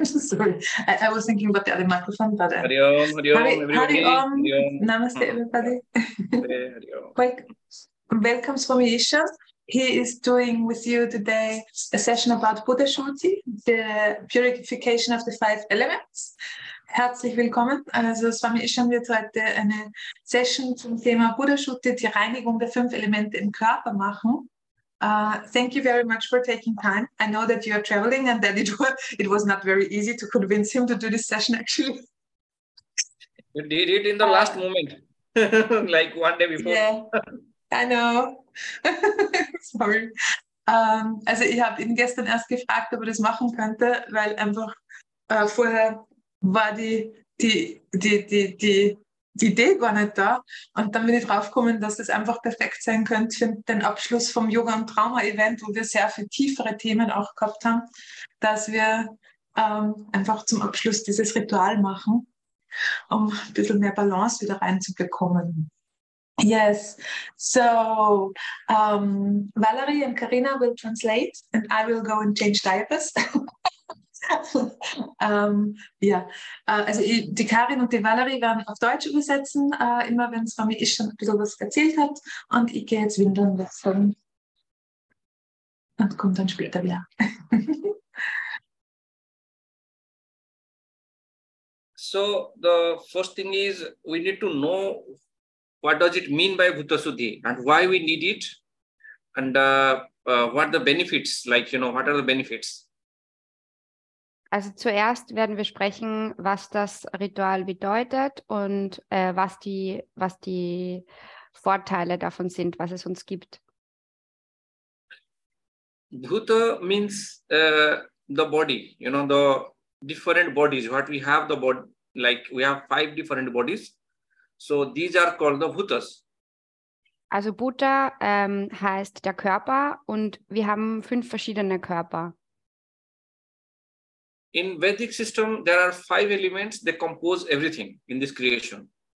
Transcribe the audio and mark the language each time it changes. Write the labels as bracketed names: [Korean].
[English] Sorry, I was thinking about the other microphone, but [Sanskrit] Hari Hari Om, Hari Om, Hari Om. Namaste, [English] everybody. Welcome, Swami Ishan. He is doing with you today a session about Buddha Shruti, the purification of the five elements. [German] Herzlich willkommen. Also, Swami Ishan wird heute eine Session zum Thema Buddha Shruti, die Reinigung der fünf Elemente im Körper machen. [English] Thank you very much for taking time. I know that you are traveling and that it was not very easy to convince him to do this session, actually. You did it in the last moment, like one day before. Yeah, I know. Sorry. [German] Also ich habe ihn gestern erst gefragt, ob er das machen könnte, weil einfach vorher war die Idee war nicht da. Und dann bin ich draufgekommen, dass das einfach perfekt sein könnte für den Abschluss vom Yoga und Trauma-Event, wo wir sehr viel tiefere Themen auch gehabt haben, dass wir einfach zum Abschluss dieses Ritual machen, um ein bisschen mehr Balance wieder reinzubekommen. [English] Yes. So, Valerie and Karina will translate and I will go and change diapers. [German] also die Karin und die Valerie werden auf Deutsch übersetzen, immer wenn Swami Ishan ein bisschen was erzählt hat. Und ich gehe jetzt windeln lassen und komme dann später wieder. [English] So, the first thing is, we need to know what does it mean by Bhuta Shuddhi and why we need it and what the benefits, like, you know, what are the benefits? [German] Also zuerst werden wir sprechen, was das Ritual bedeutet und was die Vorteile davon sind, was es uns gibt. [English] Bhuta means the body, you know, the different bodies, what we have, the body, like we have five different bodies. So these are called the Bhutas. [German] Also Bhuta heißt der Körper und wir haben fünf verschiedene Körper. [English] In Vedic system, there are five elements, they compose everything in this creation.